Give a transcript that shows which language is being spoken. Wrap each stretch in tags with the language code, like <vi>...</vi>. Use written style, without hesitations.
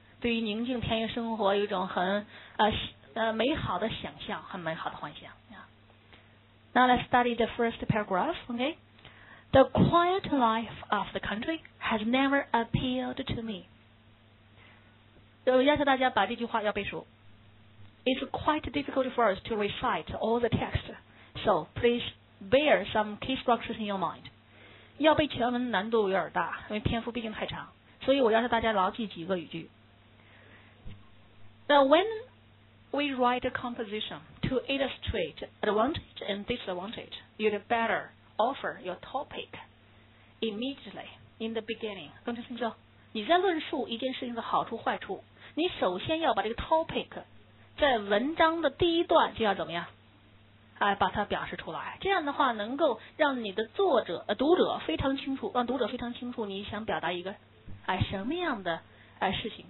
<zh>对于宁静田园生活有一种很美好的想象，很美好的幻想。</zh> <en>Now let's study the first paragraph, okay? The quiet life of the country has never appealed to me.</en> <zh>要求大家把这句话要背熟。</zh> <en>It's quite difficult for us to recite all the text, so please bear some key structures in your mind.</en> <zh>要背全文难度有点大，因为篇幅毕竟太长，所以我要求大家牢记几个语句。</zh> <en>Now whenWe write a composition to illustrate advantage and disadvantage. You'd better offer your topic immediately in the beginning.</en> <zh>同学听说，你在论述一件事情的好处坏处，你首先要把这个 topic 在文章的第一段就要怎么样？把它表示出来。这样的话能够让你的读者非常清楚，让读者非常清楚你想表达一个什么样的事情。</zh>